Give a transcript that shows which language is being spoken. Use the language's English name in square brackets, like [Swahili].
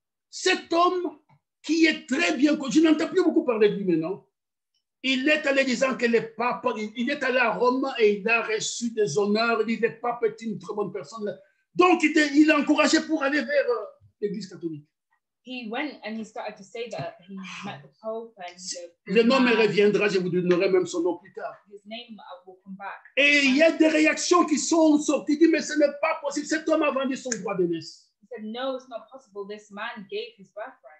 [French] Cet homme qui est très bien connu, je n'entends plus beaucoup parler de lui maintenant. Il est allé disant que le pape, il est allé à Rome et il a reçu des honneurs. Il dit, le pape est une très bonne personne. Donc, il a encouragé pour aller vers l'église catholique. [English] He went and he started to say that he met the Pope and [French] le nom me reviendra, je vous donnerai même son nom plus tard. [English] His name will come back. [French] Et il y a des réactions qui sont sorties. Il dit, mais ce n'est pas possible, cet homme a vendu son droit de naissance. [English] He said, no, it's not possible, this man gave his birthright.